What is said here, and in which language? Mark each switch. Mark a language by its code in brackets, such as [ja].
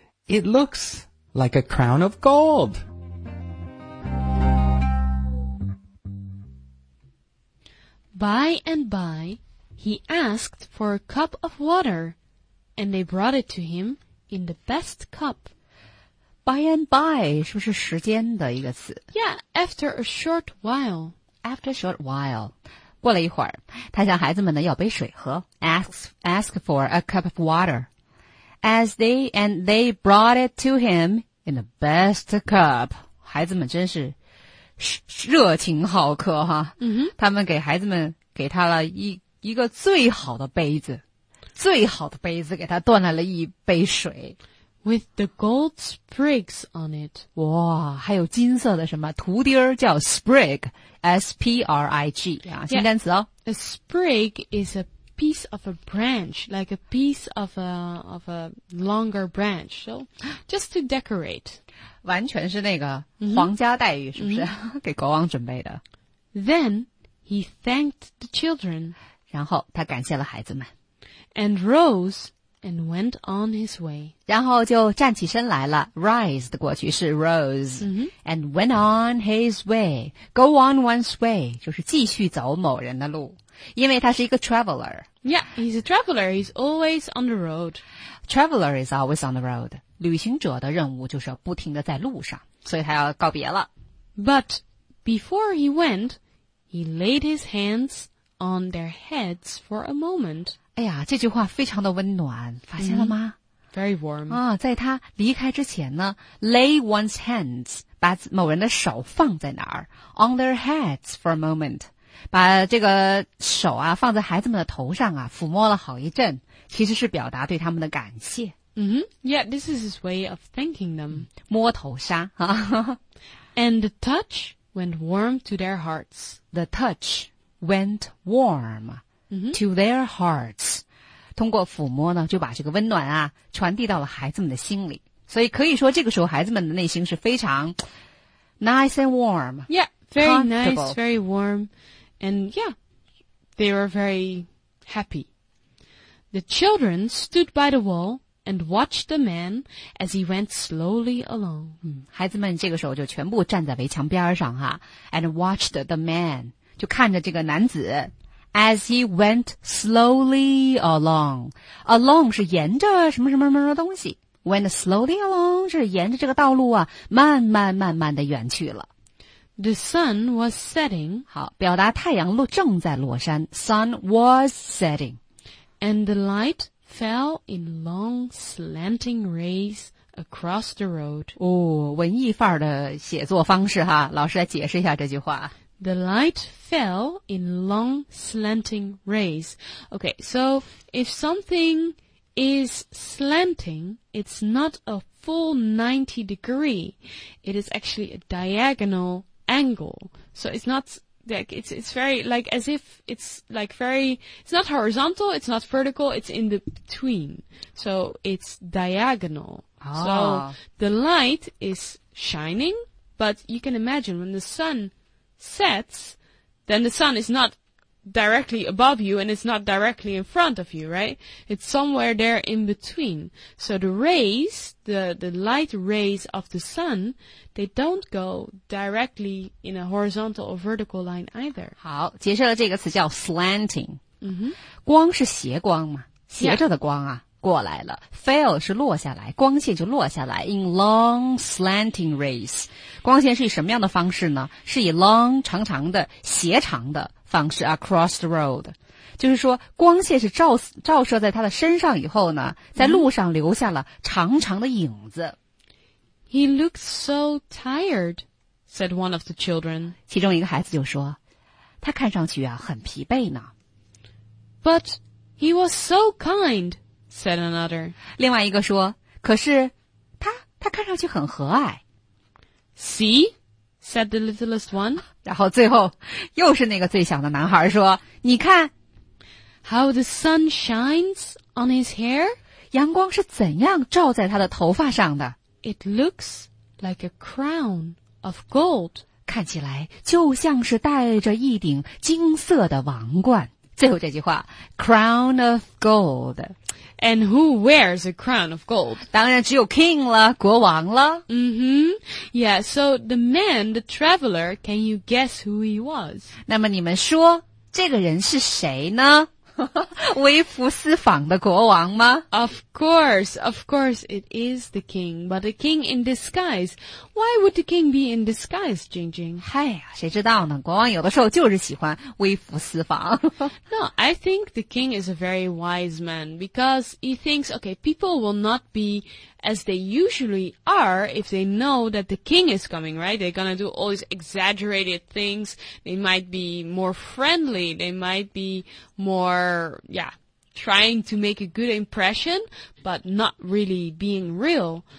[en] It looks like a crown of gold. By and by, he asked for a cup of water, and they brought it to him. In the best cup. By and by, [zh] 是不是时间的一个词 [en] Yeah, after a short while. After a short while. [zh] 过了一会儿他向孩子们呢要杯水喝 [en] ask for a cup of water. As they brought it to him in the best cup. [zh] 孩子们真是热情好客哈、 mm-hmm. 他们给孩子们给他了一个最好的杯子。最好的杯子给他端来了一杯水 [en] With the gold sprigs on it [zh] 哇还有金色的什么图钉儿叫 sprig S-P-R-I-G 啊，新单词哦 [en] A sprig is a piece of a branch Like a piece of a longer branch So just to decorate [zh] 完全是那个皇家待遇、mm-hmm. 是不是、mm-hmm. 给国王准备的 [en] Then he thanked the children [zh] 然后他感谢了孩子们 [en] And rose and went on his way. [zh] 然后就站起身来了 Rise 的过去是 rose、 mm-hmm. [en] And went on his way. Go on one's way. [zh] 就是继续走某人的路。因为他是一个 traveler. [en] Yeah, he's a traveler. He's always on the road. Traveler is always on the road. [zh] 旅行者的任务就是要不停地在路上。所以他要告别了。 [en] But before he went, he laid his hands on their heads for a moment. [zh] 哎呀这句话非常的温暖发现了吗、mm-hmm. [en] Very warm. [zh] 啊、在他离开之前呢 [en] lay one's hands, [zh] 把某人的手放在哪儿 [en] on their heads for a moment, [zh] 把这个手啊放在孩子们的头上啊抚摸了好一阵其实是表达对他们的感谢。 [en] Mm-hmm. Yeah, this is his way of thanking them. [zh] 摸头杀啊。 [en] And the touch went warm to their hearts. The touch went warm to their hearts. [zh] 通过抚摸呢，就把这个温暖啊传递到了孩子们的心里。所以可以说，这个时候孩子们的内心是非常 [en] nice and warm. Yeah, very nice, very warm. And yeah, they were very happy. The children stood by the wall and watched the man as he went slowly along. [zh] 孩子们这个时候就全部站在围墙边上哈 [en] and watched the man, [zh] 就看着这个男子 [en] as he went slowly along. [zh] Along 是沿着什么什么什么东西。 [en] Went slowly along, [zh] 是沿着这个道路啊慢慢慢慢地远去了。 [en] The sun was setting. [zh] 好表达太阳落正在落山。 [en] Sun was setting. And the light fell in long slanting rays across the road. [zh] 哦文艺范儿的写作方式哈老师来解释一下这句话。 [en] The light fell in long slanting rays. Okay, so if somethingis slanting, it's not a full 90 degree. It is actually a diagonal angle. So it's not, like, it's very, like, as if it's, like, very, it's not horizontal, it's not vertical, it's in the between. So it's diagonal. Oh. So the light is shining, but you can imagine when the sun sets, then the sun is notdirectly above you and it's not directly in front of you, right? It's somewhere there in between. So the rays, the light rays of the sun, they don't go directly in a horizontal or vertical line either. [zh] 好解释了这个词叫 slanting、 mm-hmm. 光是斜光嘛斜着的光啊、yeah. 过来了 fail 是落下来光线就落下来 [en] in long slanting rays [zh] 光线是以什么样的方式呢是以 long 长长的斜长的方式 [en] across the road [zh] 就是说光线是 照射在他的身上以后呢在路上留下了长长的影子 [en] He looked so tired said one of the children [zh] 其中一个孩子就说他看上去啊很疲惫呢 [en] But he was so kind said another [zh] 另外一个说可是他看上去很和蔼 [en] See? said the littlest one. [zh] 然后最后又是那个最小的男孩说你看 [en] How the sun shines on his hair? [zh] 阳光是怎样照在他的头发上的 [en] It looks like a crown of gold. [zh] 看起来就像是戴着一顶金色的王冠。最后这句话 [en] crown of gold. And who wears a crown of gold? [zh] 当然只有 king 了国王了。 Mm-hmm. [en] Yeah, so the man, the traveler, can you guess who he was? [zh] 那么你们说这个人是谁呢微服私访的国王吗 [en] of course it is the king, but the king in disguise. Why would the king be in disguise, Jing Jing? [zh] 嗨呀谁知道呢国王有的时候就是喜欢微服私访。 [en] No, I think the king is a very wise man, because he thinks, okay, people will not be as they usually are if they know that the king is coming, right? They're gonna do all these exaggerated things. They might be more friendly. They might be more, yeah, trying to make a good impression, but not really being real.